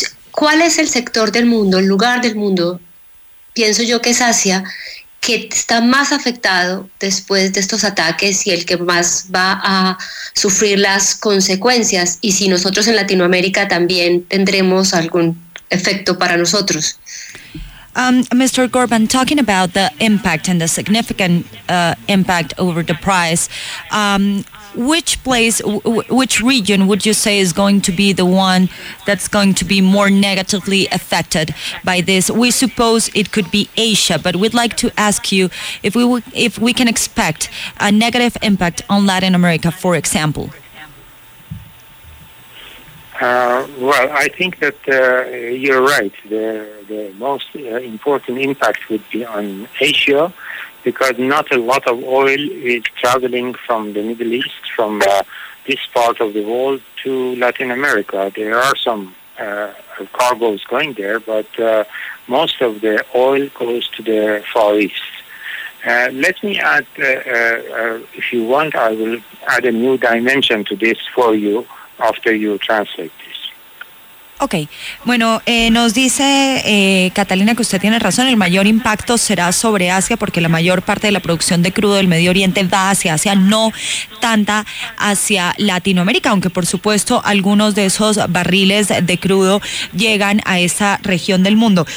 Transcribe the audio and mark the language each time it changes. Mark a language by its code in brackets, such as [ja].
[es] ¿cuál es el sector del mundo, el lugar del mundo, pienso yo que es Asia, que está más afectado después de estos ataques y el que más va a sufrir las consecuencias? Y si nosotros en Latinoamérica también tendremos algún efecto para nosotros. [en] Mr. Gorban, talking about the impact and the significant impact over the price, which place, which region would you say is going to be the one that's going to be more negatively affected by this? We suppose it could be Asia, but we'd like to ask you if we can expect a negative impact on Latin America, for example. Well, I think that you're right. The most important impact would be on Asia, because not a lot of oil is traveling from the Middle East, from this part of the world, to Latin America. There are some cargoes going there, but most of the oil goes to the Far East. Let me add, if you want, I will add a new dimension to this for you after you translate. [es] Ok, bueno, nos dice Catalina que usted tiene razón, el mayor impacto será sobre Asia porque la mayor parte de la producción de crudo del Medio Oriente va hacia Asia, no tanta hacia Latinoamérica, aunque por supuesto algunos de esos barriles de crudo llegan a esa región del mundo.